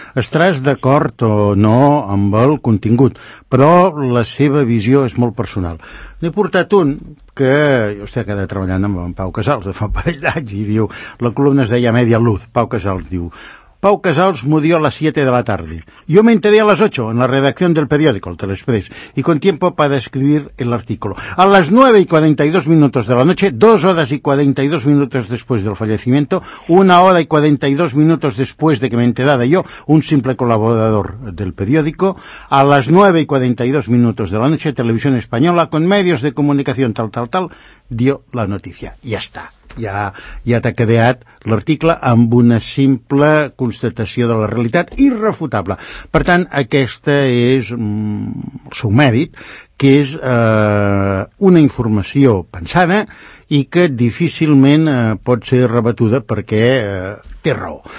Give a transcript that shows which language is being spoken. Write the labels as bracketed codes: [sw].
[ca] Estaràs d'acord o no amb el contingut, però la seva visió és molt personal. N'he portat un que jo estic quedat treballant amb en [es] Pau Casals de fa un parell d'anys i diu, la columna es deia Media Luz, Pau Casals diu, Pau Casals murió a las 7 de la tarde. Yo me enteré a las 8 en la redacción del periódico, el Telexpress, y con tiempo para escribir el artículo. A las 9 y 42 minutos de la noche, 2 horas y 42 minutos después del fallecimiento, 1 hora y 42 minutos después de que me enterara yo, un simple colaborador del periódico, a las 9 y 42 minutos de la noche, Televisión Española, con medios de comunicación tal, tal, tal, dio la noticia. Ya está. [ca] Ja t'ha creat l'article amb una simple constatació de la realitat irrefutable. Per tant, aquesta és el seu mèrit, que és una informació pensada i que difícilment pot ser rebatuda perquè té raó.